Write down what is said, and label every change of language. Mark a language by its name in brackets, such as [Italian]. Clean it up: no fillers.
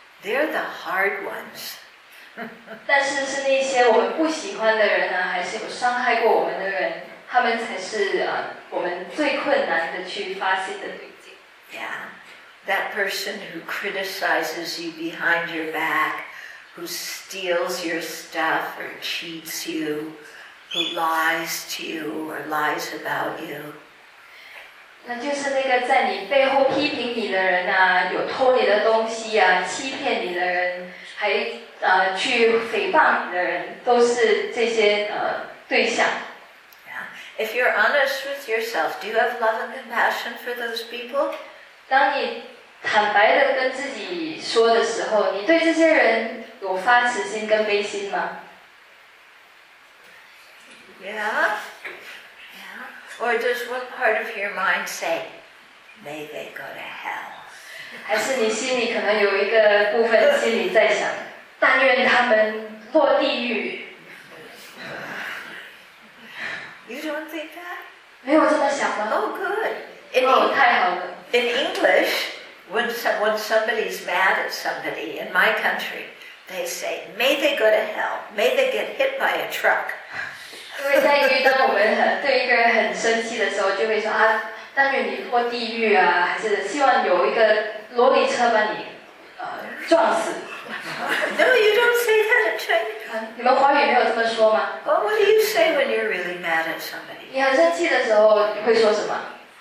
[English] They're the hard ones. [Chinese] 但是是那些我们不喜欢的人啊，还是有伤害过我们的人，他们才是我们最困难的去发泄的对象。 [English] Yeah, that person who criticizes you behind your back, who steals your stuff or cheats you, who lies to you or lies about you. [Chinese] 那就是那个在你背后批评你的人啊，有偷你的东西啊，欺骗你的人，还去诽谤你的人，都是这些对象。 [English] Yeah. If you're honest with yourself, do you have love and compassion for those people? [Chinese] 当你坦白的跟自己说的时候，你对这些人有发慈心跟悲心吗？ [English] Yeah. Yeah. Or does one part of your mind say, "May they go to hell"? [Chinese] 还是你心里可能有一个部分心里在想？但愿他们落地狱。 [English] You don't think that? [Chinese] 没有这么想吗？ [English] Oh, good. [Chinese] Oh, 太好了。 [English] In English, when somebody's mad at somebody in my country, they say, "May they go to hell. May they get hit by a truck." [Chinese] 因为在英语，当我们对一个人很生气的时候，就会说啊，但愿你落地狱啊，还是希望有一个罗里车把你撞死。 [English] No, you don't say that in Chinese. [Chinese] 你们华语没有这么说吗？ [English] Well, what do you say when you're really mad at somebody? [Chinese] 你很生气的时候，你会说什么？